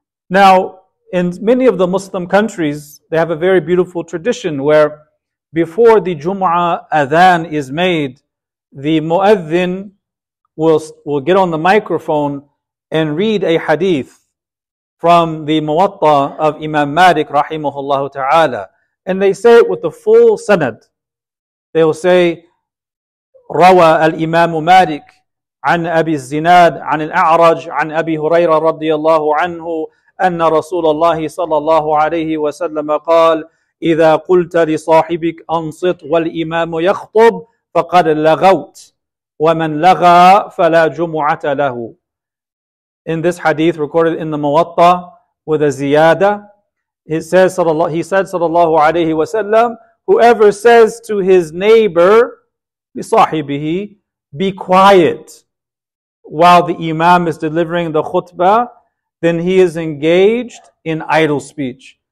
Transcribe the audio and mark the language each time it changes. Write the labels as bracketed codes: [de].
[en] Now, in many of the Muslim countries, they have a very beautiful tradition where before the Jumu'ah adhan is made, the muadhin will get on the microphone and read a hadith from the muwatta of Imam Malik, rahimahullah ta'ala. And they say it with the full sanad. They will say, [ar] "Rawa al-Imam Malik عن أبي الزناد عن الأعرج عن أبي هريرة رضي الله عنه أن رسول الله صلى الله عليه وسلم قال إذا قلت لصاحبك أنصت والإمام يخطب فقد لغوت ومن لغى فلا جمعة له." [en] In this hadith recorded in the Muwatta with a ziyada, he said [ar] صلى الله عليه وسلم, [en] "Whoever says to his neighbor, لصاحبه, be quiet while the imam is delivering the khutbah, then he is engaged in idle speech."